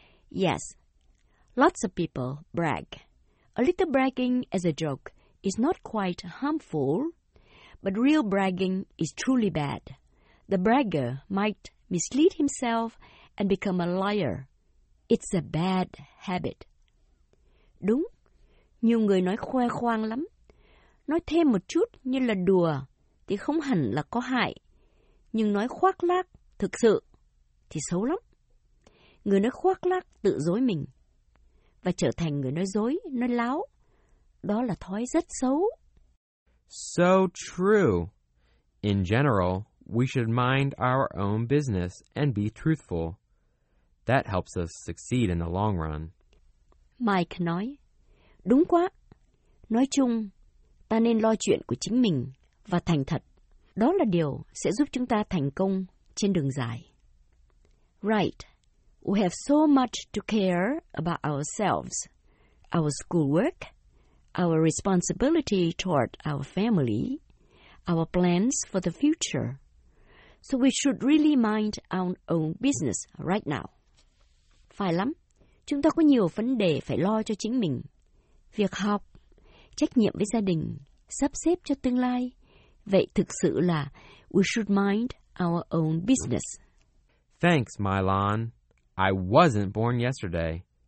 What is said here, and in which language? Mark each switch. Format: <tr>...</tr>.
<en>Yes, lots of people brag. A little bragging as a joke is not quite harmful, but real bragging is truly bad. The bragger might mislead himself and become a liar. It's a bad habit.</en> <vi>Đúng, nhiều người nói khoe khoang lắm. Nói thêm một chút như là đùa thì không hẳn là có hại, nhưng nói khoác lác thực sự thì xấu lắm. Người nói khoác lác tự dối mình và trở thành người nói dối, nói láo. Đó là thói rất xấu.</vi> <en>So true. In general, we should mind our own business and be truthful. That helps us succeed in the long run.</en> <vi>Mike nói, đúng quá. Nói chung, ta nên lo chuyện của chính mình và thành thật. Đó là điều sẽ giúp chúng ta thành công trên đường dài.</vi> <en>Right. We have so much to care about ourselves, our schoolwork, our responsibility toward our family, our plans for the future. So we should really mind our own business right now.</en> <vi>Phải lắm. Chúng ta có nhiều vấn đề phải lo cho chính mình. Việc học, trách nhiệm với gia đình, sắp xếp cho tương lai. Vậy thực sự là</vi> <en>we should mind our own business. Thanks, Mylon. I wasn't born yesterday.</en>